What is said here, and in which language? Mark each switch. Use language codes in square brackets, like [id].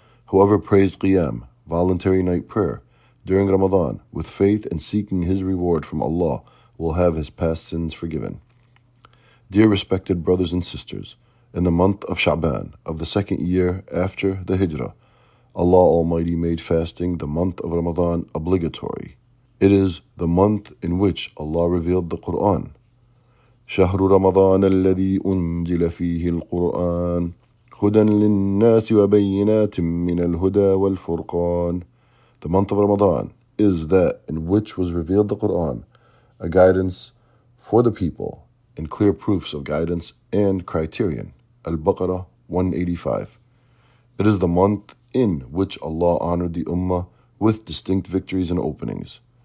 [en] Whoever prays qiyam, voluntary night prayer, during Ramadan with faith and seeking his reward from Allah will have his past sins forgiven. Dear respected brothers and sisters, in the month of Sha'ban of the second year after the Hijrah, Allah Almighty made fasting the month of Ramadan obligatory. It is the month in which Allah revealed the Quran. [ar] شهر رمضان الذي أنزل فيه القرآن هدى للناس وبينات من الهدى والفرقان. [en] The month of Ramadan is that in which was revealed the Quran, a guidance for the people and clear proofs of guidance and criterion. Al-Baqarah 185. It is the month in which Allah honored the Ummah with distinct victories and openings.